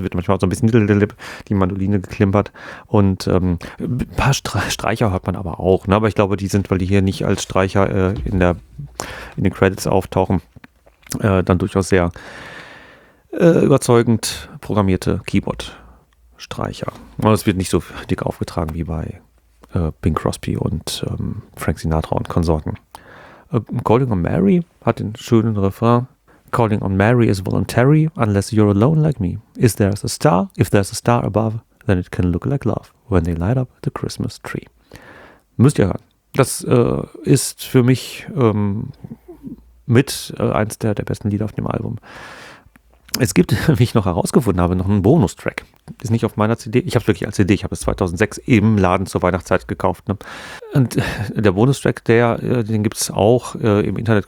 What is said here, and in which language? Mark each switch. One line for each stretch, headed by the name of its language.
German: Es wird manchmal so ein bisschen die Mandoline geklimpert und ein paar Streicher hört man aber auch, ne? Aber ich glaube, die sind, weil die hier nicht als Streicher in den Credits auftauchen, dann durchaus sehr überzeugend programmierte Keyboard Streicher. Und es wird nicht so dick aufgetragen wie bei Bing Crosby und Frank Sinatra und Konsorten. Calling on Mary hat den schönen Refrain.
English: Calling on Mary is voluntary unless you're alone like me. Is there a star? If there's a star above, then it can look like love when they light up the Christmas tree.
German: Müsst ihr hören. Das ist für mich mit eins der besten Lieder auf dem Album. Es gibt, wie ich noch herausgefunden habe, noch einen Bonustrack. Ist nicht auf meiner CD. Ich habe es wirklich als CD. Ich habe es 2006 im Laden zur Weihnachtszeit gekauft. Ne? Und der Bonustrack, den gibt es auch im Internet.